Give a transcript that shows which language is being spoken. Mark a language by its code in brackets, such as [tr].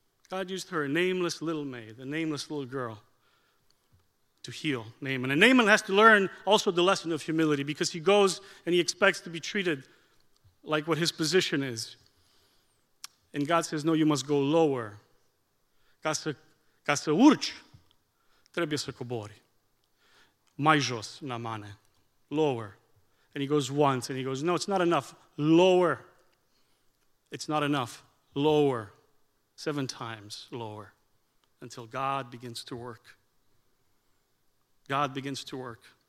[en] God used her, a nameless little maid, a nameless little girl, to heal Naaman. And Naaman has to learn also the lesson of humility, because he goes and he expects to be treated like what his position is. And God says, no, you must go lower. [ro] Ca să urci, trebuie să cobori. Mai jos, Naamane. [en] Lower. And he goes once, and he goes, no, it's not enough. Lower. It's not enough. Lower. 7 times lower. Until God begins to work. God begins to work.